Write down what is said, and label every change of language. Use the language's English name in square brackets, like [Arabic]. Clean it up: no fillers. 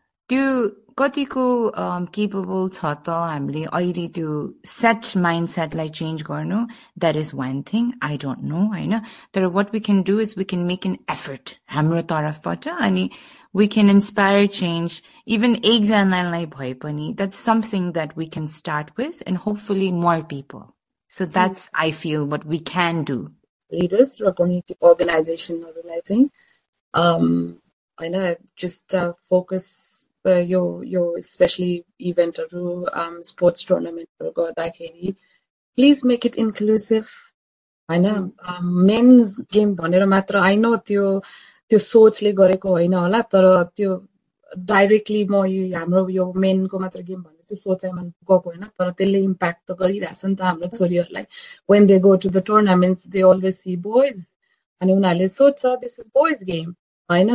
[Nepali] त्यो कतिको केपेबल छ त हामीले अहिले त्यो सेट माइन्डसेटलाई चेन्ज गर्नु, that is one thing I don't know होइन. [English] तर what we can do is we can make an effort हाम्रो तर्फबाट अनि we can inspire change even exanalai bhai pani. That's something that we can start with and hopefully more people. So that's I feel what we can do. Leaders ra community organization haru lai chai focus your especially event haru sports tournament haru garda kheri please make it inclusive. [Nepali] I know men's game bhanera matra I know tyo त्यो सोचले गरेको होइन होला, तर त्यो directly म यो हाम्रो यो मेनको मात्र गेम भन्ने त्यो सोचाइमा गएको होइन, तर त्यसले इम्प्याक्ट त गरिरहेछ नि त हाम्रो छोरीहरूलाई. [English] When they go to the tournaments they always see boys अनि उनीहरूले सोच्छ this is boys game होइन.